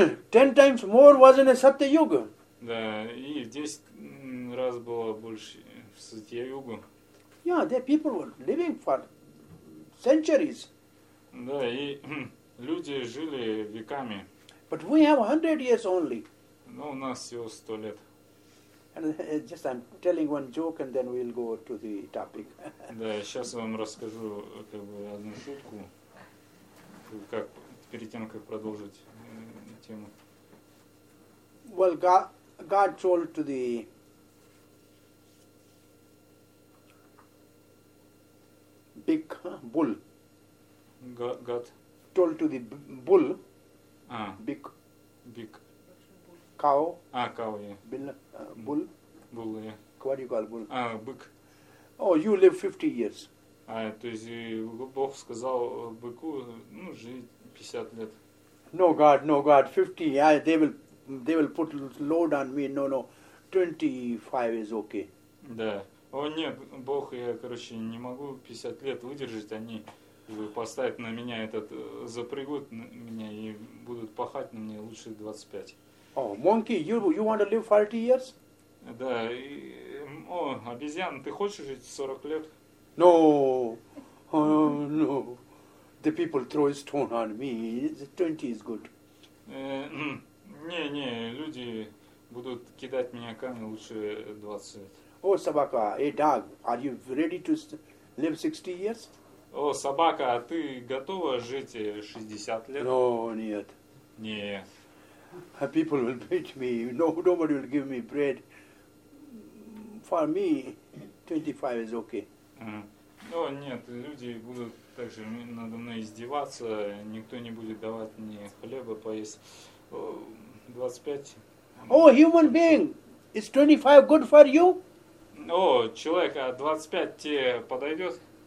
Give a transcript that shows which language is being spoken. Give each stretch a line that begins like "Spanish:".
English: Ten times more was in a Satya-yuga.
Russian: Да, и 10 раз было больше в Сатья-югу.
English: Yeah, the people were living for centuries.
Russian: Да, и люди жили веками.
English: But we have 100 years only.
Russian: Но у нас всего 100 лет.
English: And just I'm telling one joke and then we'll go to the topic.
Russian: Да, сейчас я вам расскажу как бы одну шутку, как перед тем, как продолжить тему.
English: Well, God told to the big bull. God told to the bull. Big cow. Cow, yeah. Bull. Bull, yeah. What do you call bull?
Russian: Бык.
English: Oh, you live 50 years.
Russian: То есть Бог сказал быку, ну, жить 50 лет.
English: No, God, 50. They will put load on me. No, 25 is okay.
Russian: Да. О, нет, Бог, я, короче, не могу 50 лет выдержать, они поставят на меня этот, запрягут меня и будут пахать на мне лучше 25.
English: О, monkey, you want to live 40 years?
Russian: Да, и, о, обезьян, ты хочешь жить 40 лет?
English: No, the people throw a stone on me, 20 is good.
Russian: Не, люди будут кидать меня камни, лучше 20. О, собака, эй,
English: dog, are you ready to live 60 years?
Russian: О, собака, а ты готова жить 60 лет?
English: No,
Russian: нет. Нет.
English: People will beat me, nobody will give me bread. For me, 25 is okay.
Russian: О, нет, люди будут также надо мной издеваться, никто не будет давать мне хлеба поесть. 25.
English: О, human being, is 25 good for you?
Russian: О, человек, а 25 тебе подойдет?